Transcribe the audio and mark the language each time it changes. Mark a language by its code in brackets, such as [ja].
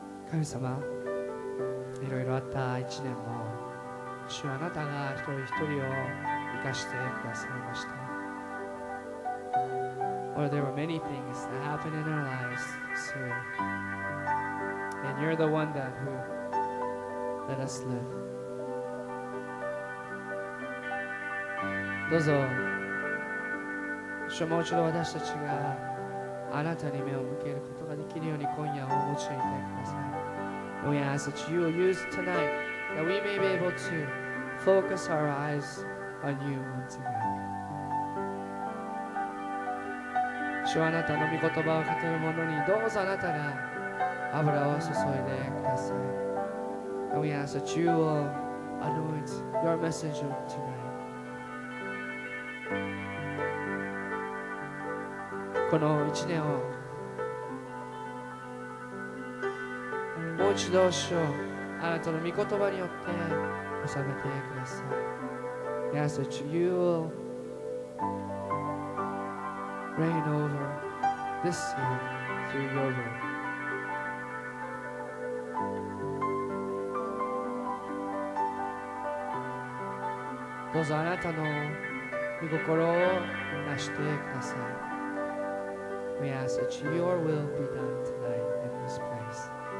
[ja] 神様、いろいろあった一年も、主はあなたが一人一人を生かしてくださいました。 [en] Lord, there were many things that happened in our lives this year. And you're the one that who let us live. [ja] どうぞ、主はもう一度私たちがあなたに目を向けることができるように今夜を用いてください。 [en] We ask that you will use tonight that we may be able to focus our eyes on you once again. [ja] 主はあなたの御言葉を語る者にどうぞあなたが油を注いでください。 [en] And we ask that you will anoint your messenger tonight. [ja] この一年を主導主をあなたの御言葉によって収めてください。 [en] We ask that you will reign over this year through your word. [ja] どうぞあなたの御心を成してください。 [en] We ask that your will be done tonight in this place.